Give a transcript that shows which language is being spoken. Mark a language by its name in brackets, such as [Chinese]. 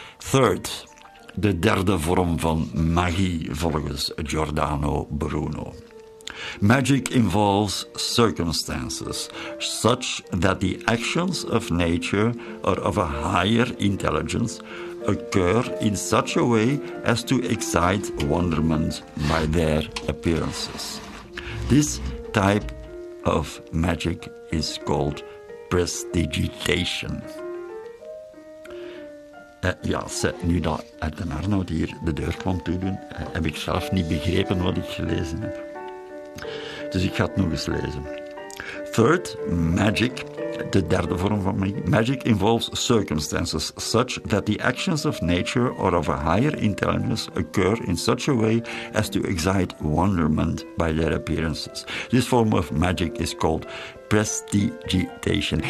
[English] Third, [Dutch] de derde vorm van magie volgens Giordano Bruno. [English] Magic involves circumstances such that the actions of nature or of a higher intelligence occur in such a way as to excite wonderment by their appearances. This type of magic is called prestidigitation. [Dutch] Ja, nu dat Edwin Arnoud hier de deur kwam toedoen, heb ik zelf niet begrepen wat ik gelezen heb. Dus ik ga het nog eens lezen. [English] Third, magic, [Dutch] de derde vorm van magie. [English] Magic involves circumstances such that the actions of nature or of a higher intelligence occur in such a way as to excite wonderment by their appearances. This form of magic is called prestidigitation.